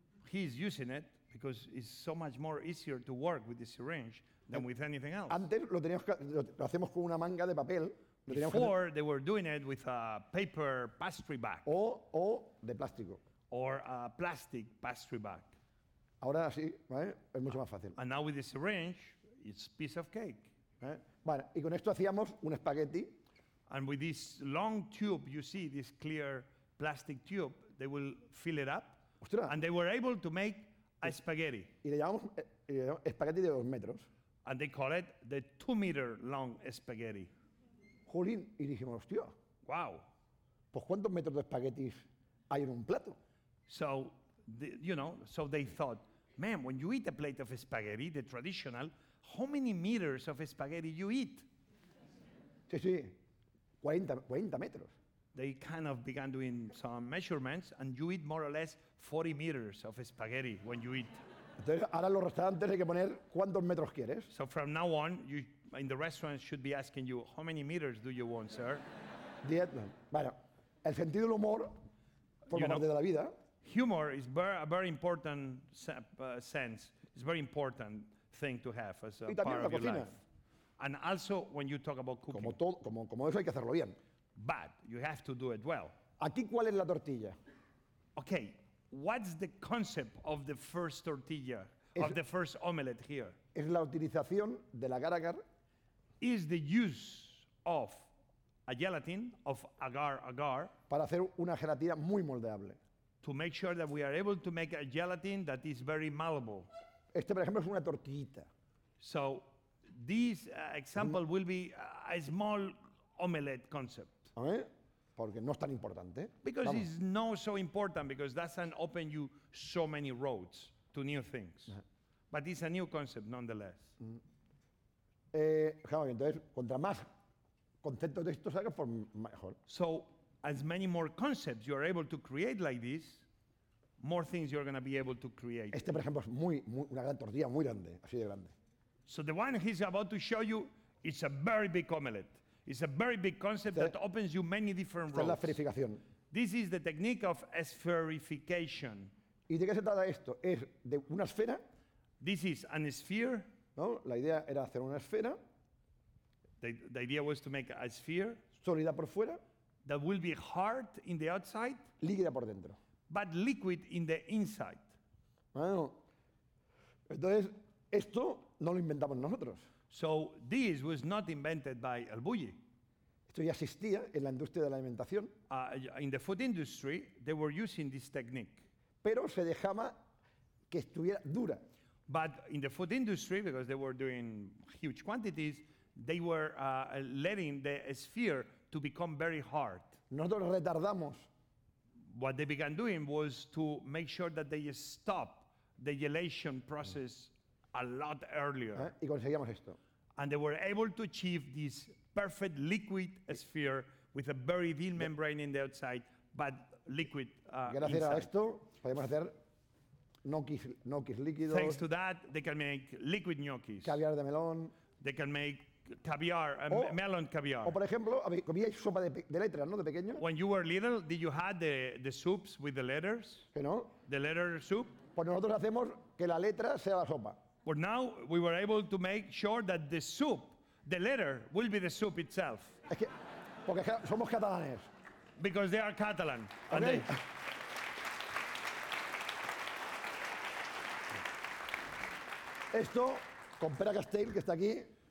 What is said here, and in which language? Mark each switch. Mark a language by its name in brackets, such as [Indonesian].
[English] He's using it because it's so much more easier to work with the syringe than with anything else. [Spanish] Antes lo teníamos lo hacemos con una manga de papel. [English] Before, they were doing it with a paper pastry bag. [Spanish] O de plástico. [English] Or a plastic pastry bag. [Spanish] Ahora sí, ¿vale? Es mucho más fácil. [English] And now with the syringe, it's a piece of cake. [Spanish] Bueno, y con esto hacíamos un espagueti. [English] And with this long tube, you see, this clear plastic tube, they will fill it up. [Spanish] Ostras. [English] And they were able to make a spaghetti. [Spanish] Y le llamamos espagueti de 2 metros. [English] And they call it the 2 meter long spaghetti. [Spanish] Jolín, y dijimos, hostia. [English] Wow. [Spanish] Pues ¿cuántos metros de espaguetis hay en un plato? [English] So, so they thought, man, when you eat a plate of spaghetti, the traditional, how many meters of spaghetti you eat? [Spanish] Sí, 40 metros. [English] They kind of began doing some measurements, and you eat more or less 40 meters of spaghetti when you eat. [Spanish] Entonces, ahora los restaurantes hay que poner cuántos metros quieres. [English] So from now on, you, in the restaurants, should be asking you, how many meters do you want, sir? [Spanish] Bueno, el sentido del humor forma parte de la vida. [English] Humor is a very important sense. It's a very important thing to have as a part of your life. [Spanish] Y también la [English] cocina. And also, when you talk about cooking. [Spanish] Como eso hay que hacerlo bien. [English] But you have to do it well. [Spanish] ¿Aquí cuál es la tortilla? [English] Okay, what's the concept of the first tortilla, of the first omelette here? [Spanish] Es la utilización de la agar-agar. [English] Is the use of a gelatin, of agar-agar. [Spanish] Para hacer una gelatina muy moldeable. [English] To make sure that we are able to make a gelatin that is very malleable. [Spanish] Este, por ejemplo, es una tortillita. [English] So this example will be a small omelette concept. [Spanish] Porque no es tan importante. [English] Because it's not so important, because that doesn't open you so many roads to new things. But it's a new concept, nonetheless. [Spanish] Entonces, contra más conceptos de esto salga, por mejor. [English] So, as many more concepts you are able to create like this, more things you're going to be able to create. [Spanish] Este, por ejemplo, es una gran tortilla, muy grande, así de grande. [English] So the one he's about to show you is a very big omelette. It's a very big concept that opens you many different roads. [Spanish] Es la esferificación. [English] This is the technique of spherification. [Spanish] ¿Y de qué se trata esto? Es de una esfera. [English] This is an sphere. [Spanish] ¿No? La idea era hacer una esfera. [English] The idea was to make a sphere. [Spanish] Sólida por fuera. [English] That will be hard in the outside. [Spanish] Líquida por dentro. [English] But liquid in the inside. [Spanish] Bueno, entonces, esto no lo inventamos nosotros. [English] So this was not invented by el bulli. [Spanish] Esto ya existía en la industria de la alimentación. [English] In the food industry, they were using this technique. [Spanish] Pero se dejaba que estuviera dura. [English] But in the food industry, because they were doing huge quantities, they were letting the sphere to become very hard. [Spanish] Nosotros retardamos. [English] What they began doing was to make sure that they stop the gelation process a lot earlier. [Spanish] Y conseguíamos esto. [English] And they were able to achieve this perfect liquid sphere with a very thin membrane in the outside, but liquid [Spanish] gracias [English] inside. [Spanish] A esto, podemos hacer gnocchis líquidos. [English] Thanks to that, they can make liquid gnocchis. [Spanish] Caviar de melón. [English] They can make caviar, melon caviar. [Spanish] O, por ejemplo, comíais sopa de letras, ¿no?, de pequeño. [English] When you were little, did you have the soups with the letters? [Spanish] Que no. [English] The letter soup? [Spanish] Pues nosotros hacemos que la letra sea la sopa. [English] But now we were able to make sure that the soup, the letter, will be the soup itself. [Spanish] Es que, porque somos catalanes. [English] Because they are Catalan. Okay. [Spanish] Esto con Pere Castells, que está aquí.